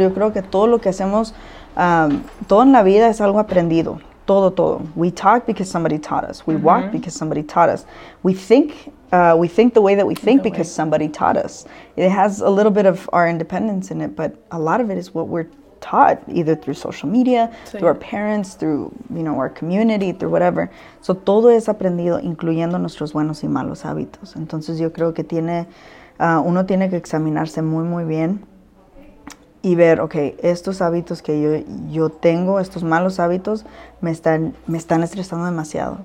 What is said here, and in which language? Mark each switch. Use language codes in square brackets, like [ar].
[es] Yo creo que todo lo que hacemos, todo en la vida es algo aprendido. [en] Todo. We talk because somebody taught us. We walk because somebody taught us. We think the way that we think because somebody taught us. It has a little bit of our independence in it, but a lot of it is what we're taught, either through social media, through our parents, through, you know, our community, through whatever. [es] So todo es aprendido, incluyendo nuestros buenos y malos hábitos. Entonces yo creo que uno tiene que examinarse muy, muy bien y ver, okay, estos hábitos que yo tengo, estos malos hábitos, me están estresando demasiado.